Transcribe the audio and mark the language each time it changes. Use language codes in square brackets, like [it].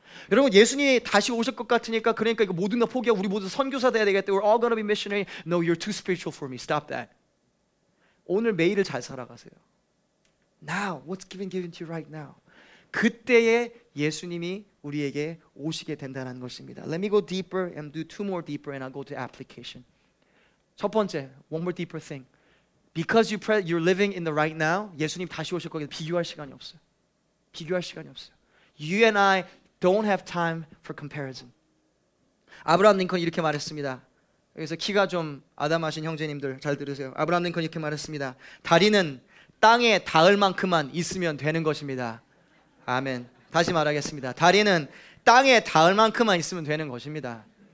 [ko] 여러분 예수님이 다시 오실 것 같으니까 그러니까 이거 모든 거 포기하고 우리 모두 선교사 돼야 되겠다. [en] We're all gonna be missionary. No, you're too spiritual for me. Stop that. [ko] 오늘 매일을 잘 살아가세요. [en] Now, what's given to you right now? [ko] 그때에 예수님이 우리에게 오시게 된다는 것입니다. [en] Let me go deeper and do two more deeper and I'll go to application. [ko] 첫 번째, [en] one more deeper thing. Because you're living in the right now, [ko] 예수님 다시 오실 거기에 비교할 시간이 없어요. [en] 비교할 시간이 없어요. You and I don't have time for comparison. [ko] 아브라함 링컨 이렇게 말했습니다. 여기서 키가 좀 아담하신 형제님들 잘 들으세요. 아브라함 링컨 이렇게 말했습니다. 다리는 땅에 닿을 만큼만 있으면 되는 것입니다. 아멘. 다시 말하겠습니다. 다리는 땅에 닿을 만큼만 있으면 되는 것입니다.